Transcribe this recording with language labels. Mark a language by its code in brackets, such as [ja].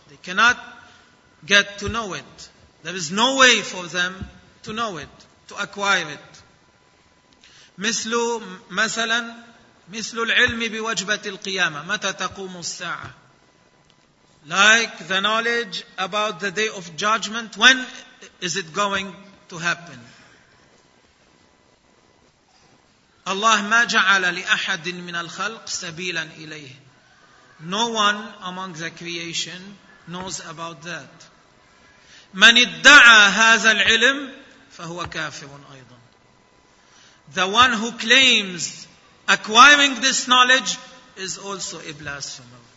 [en] They cannot get to know it. There is no way for them to know it, to acquire it. [ar] مِثْلُ مَثَلًا مِثْلُ الْعِلْمِ بِوَجْبَةِ الْقِيَامَةِ مَتَى تَقُومُ السَّاعَةِ. [en] Like the knowledge about the day of judgment, when is it going to happen? [ar] Allah ما جعل لأحد من الخلق سبيلا إليه. [en] No one among the creation knows about that. [ar] من ادعى هذا العلم فهو كافر أيضا. [en] The one who claims acquiring this knowledge is also a blasphemer.